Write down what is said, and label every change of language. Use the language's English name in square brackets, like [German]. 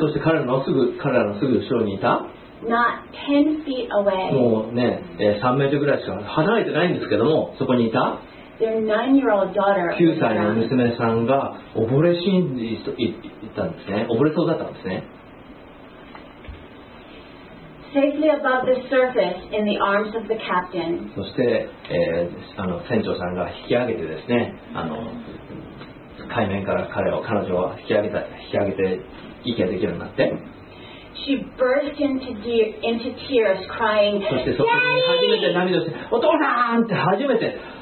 [Japanese] そして彼らのすぐ後ろにいた。 [English] Not 10 feet away. [Japanese] もうね、3メートルぐらいしか離れてないんですけども、そこにいた。 [English] Their nine-year-old daughter. [Japanese] 9歳の娘さんが溺れ死んでいたんですね。溺れそうだったんですね。 [English] Safely above the surface in the arms of the captain. [Japanese] そして、船長さんが引き上げてですね、海面から彼女は引き上げて息ができるようになって。 [English] She burst into tears, crying. [Japanese] そしてそこに初めて涙して、お父さんって初めて。